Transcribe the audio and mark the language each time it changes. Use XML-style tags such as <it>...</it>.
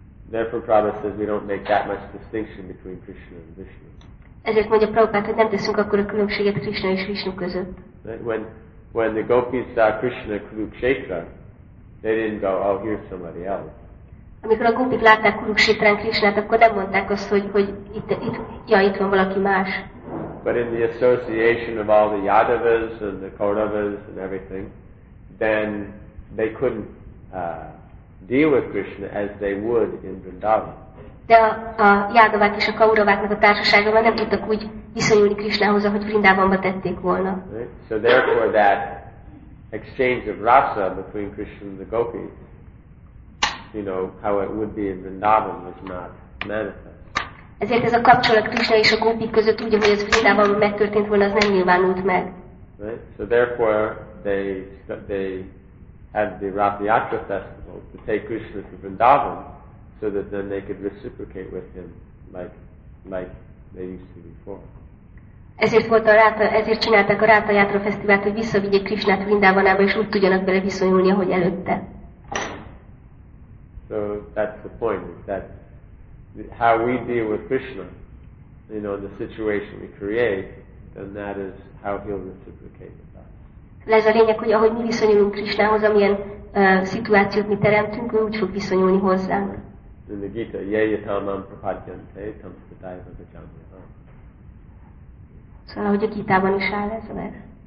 <en>Therefore, Prabhupada says we don't make that much distinction between Krishna and Vishnu.</en> <hu>Ezért mondja Prabhupada, hogy nem teszünk akkora különbséget Krishna és Vishnu között.</hu> <en>When the gopis saw Krishna Kurukshetra, they didn't go, oh, here's somebody else.</en> <hu>Amikor a gopik látták Kurukshetrán Krishnát, akkor nem mondták azt, hogy itt van valaki más.</hu> <en>But in the association of all the Yadavas and the Kauravas and everything, then they couldn't deal with Krishna as they would in Vrindavan.</en> <hu>De a Yadavák és a Kauraváknak a társaságában nem tudtak úgy viszonyulni Krishnához, ahogy Vrindavanba tették volna.</hu> <en>Right? So therefore that exchange of rasa between Krishna and the gopis, you know, how it would be in Vrindavan was not manifest.</en> <hu>Ezért ez a kapcsolat Krishna és a gópik között úgy, ahogy ez Vrindában megtörtént volna, az nem nyilvánult meg.</hu> <en>Right? So therefore they had the Rathyatra festival to take Krishna to Vrindavan so that then they could reciprocate with him like they used to before.</en> <hu>Ezért csinálták a Rathyatra festivált, hogy visszavigyék Krishnát Vrindavanába és úgy tudjanak bele viszonyulni, ahogy előtte.</hu> <en>So that's the point, is that how we deal with Krishna, you know, the situation we create, then that is how he'll reciprocate with us.</en> <hu>Ez a lényeg, hogy ahogy mi viszonyulunk Krishnához, amilyen szituációt mi teremtünk, ő úgy fog viszonyulni hozzánk.</hu> <en>In the Gita,</en> <sa>yeyatamam prapadyante tamsvatayva vajamyaham.</sa> <hu>Szóval ahogy a Gitában is áll ez a ver.</hu>